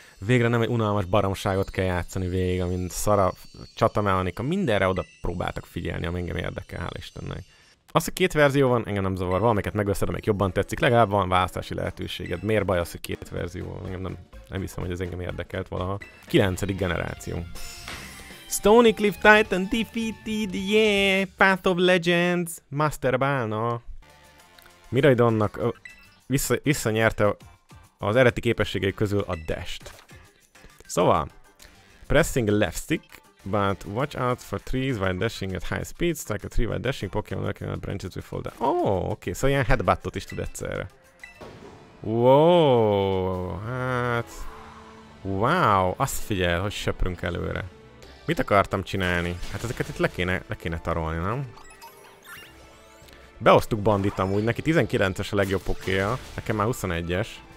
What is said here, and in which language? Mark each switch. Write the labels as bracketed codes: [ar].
[hu] Végre nem egy unalmas baromságot kell játszani végig, amint szara csatamechanika. Mindenre oda próbáltak figyelni, ami engem érdekel, hál' Istennek. Az, hogy két verzió van, engem nem zavar. Valamiket megveszed, amelyik jobban tetszik. Legalább van választási lehetőséged. Miért baj az, hogy két verzió van? Engem nem hiszem, hogy ez engem érdekelt valaha. 9. generáció. [en] Stonycliff Titan defeated, yeah! Path of Legends, Master Balna. [hu] Miraidonnak visszanyerte az eredeti képességei közül a dash-t. Szóval, [en] pressing left stick, but watch out for trees while dashing at high speed, strike a tree while dashing, Pokémon lurking at branches will fall down. [hu] Oh, oké, szóval ilyen headbuttot is tud egyszerre. Wow, hát... Wow, azt figyel, hogy söprünk előre. Mit akartam csinálni? Hát ezeket itt le kéne tarolni, nem? Beosztuk Bandit amúgy, neki 19-es a legjobb pokéja, nekem már 21-es.